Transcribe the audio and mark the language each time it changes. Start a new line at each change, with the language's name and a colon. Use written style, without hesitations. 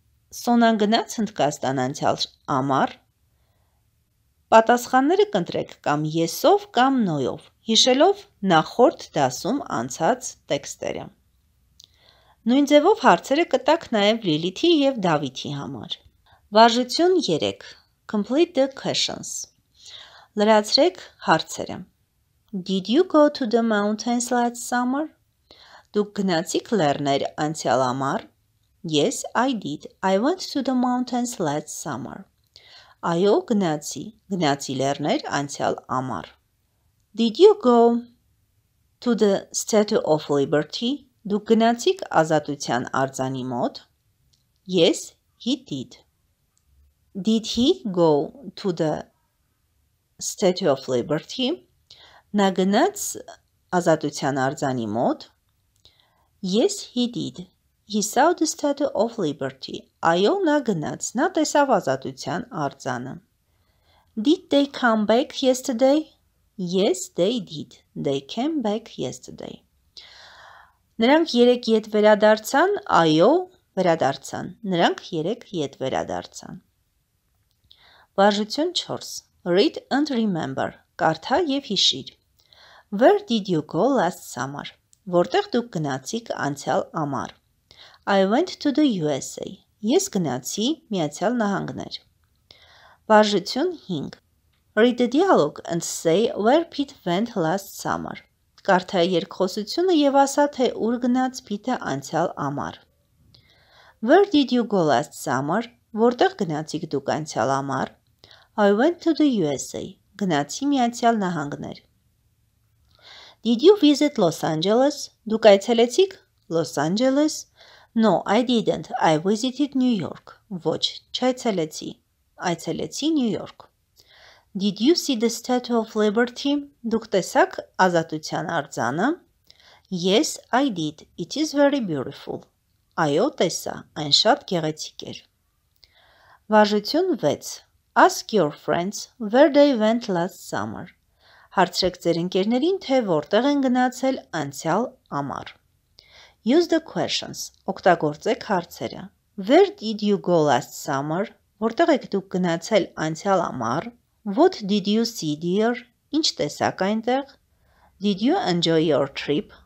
Armenian: Sona գնաց Հնդկաստան անցյալ ամառ? Պատասխանները կընտրեք կամ yes-ով կամ no-ով, հիշելով նախորդ դասում անցած տեքստերը. Նույն ձևով հարցերը կտակ նաև Լիլիթի և Դավիթի համար։ Վարժություն 3.
English: Complete the questions.
Armenian: Լրացրեք հարցերը.
English: Did you go to the mountains last summer?
Armenian: Դուք գնացիք լեռներ անցյալ ամառ?
English: Yes, I did. I went to the mountains last summer.
Armenian: Այո, գնացի. Գնացի լեռներ անցյալ ամառ.
English: Did you go to the Statue of Liberty?
Armenian: Դուք գնացիք ազատության արձանի մոտ?
English: Yes, he did. Did he go to the Statue of Liberty?
Armenian: Նա գնաց ազատության արձանի մոտ?
English: Yes, he did. He saw the Statue of Liberty.
Armenian: Այո, նա գնաց, նա տեսավ ազատության արձանը.
English: Did they come back yesterday? Yes, they did. They came back yesterday.
Armenian: Նրանք երեք ետ վերադարձան, այո, վերադարձան, նրանք երեք ետ վերադարձան։ Վարժություն 4.
English: Read and remember.
Armenian: Կարդա և հիշիր.
English: Where did you go last summer?
Armenian: Որտեղ դուք գնացիք անցյալ ամար?
English: I went to the USA.
Armenian: Ես գնացի միացյալ նահանգներ։ Վարժություն 5.
English: Read the dialogue and say where Pete went last summer.
Armenian: Կարդա երկխոսությունը եւ ասա, թե ուր գնաց Պիտը անցյալ ամառ։
English: Where did you go last summer?
Armenian: Որտեղ գնացիք դուք անցյալ ամառ?
English: I went to the USA.
Armenian: Գնացի միացյալ նահանգներ։
English: Did you visit Los Angeles?
Armenian: Դուք այցելեցիք Los Angeles?
English: No, I didn't. I visited New York.
Armenian: Ոչ, չայցելեցի։ Այցելեցի Նյու Յորք։
English: Did you see the Statue of Liberty?
Armenian: Դուք տեսաք ազատության արձանը?
English: Yes, I did. It is very beautiful.
Armenian: Այո, տեսա. Այն շատ գեղեցիկ էր. Վարժություն 6.
English: Ask your friends where they went last summer.
Armenian: Հարցրեք ձեր ընկերներին, թե որտեղ են գնացել անցյալ ամառ.
English: Use the questions.
Armenian: Օգտագործեք հարցերը.
English: Where did you go last summer?
Armenian: Որտեղ եք դուք գնացել անցյալ ամառ?
English: What did you see, dear?
Armenian: Ինչ տեսակ այնտեղ?
English: Did you enjoy your trip?